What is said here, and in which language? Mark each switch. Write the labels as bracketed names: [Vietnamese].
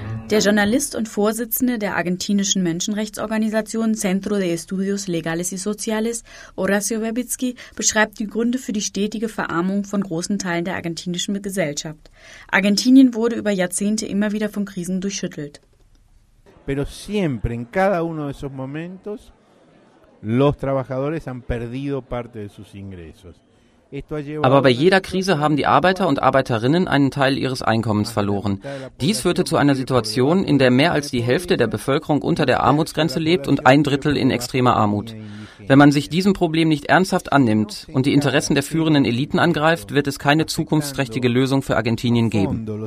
[German] Der Journalist und Vorsitzende der argentinischen Menschenrechtsorganisation Centro de Estudios Legales y Sociales, Horacio Verbitsky, beschreibt die Gründe für die stetige Verarmung von großen Teilen der argentinischen Gesellschaft. Argentinien wurde über Jahrzehnte immer wieder von Krisen durchschüttelt. [Spanish] Pero siempre, en cada uno de esos momentos, los trabajadores han perdido parte de sus ingresos. [German] Aber bei jeder Krise haben die Arbeiter und Arbeiterinnen einen Teil ihres Einkommens verloren. Dies führte zu einer Situation, in der mehr als die Hälfte der Bevölkerung unter der Armutsgrenze lebt und 1/3 in extremer Armut. Wenn man sich diesem Problem nicht ernsthaft annimmt und die Interessen der führenden Eliten angreift, wird es keine zukunftsträchtige Lösung für Argentinien geben.